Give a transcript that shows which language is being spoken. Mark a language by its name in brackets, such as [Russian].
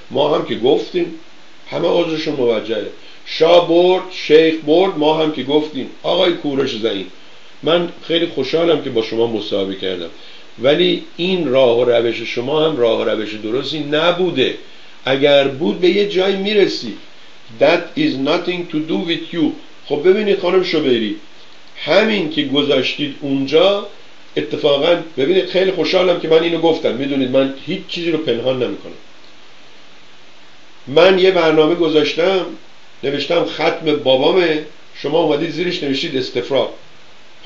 [Persian] ما هم که گفتیم، همه عذرشون موجهه، شاه برد شیخ برد، ما هم که گفتیم. آقای کوروش زعیم من خیلی خوشحالم که با شما مصاحبه کردم، ولی این راه و روش شما هم راه و روش درستی نبوده. اگر بود به یه جای میرسی. [English] That is nothing to do with you. [Persian] خب ببینید خانم شوبری، همین که گذاشتید اونجا، اتفاقا ببینید خیلی خوشحالم که من اینو گفتم، میدونید من هیچ چیزی رو پنهان نمیکنم. من یه برنامه گذاشتم نوشتم ختم بابامه، شما اومدید زیرش نوشتید استفراغ. خب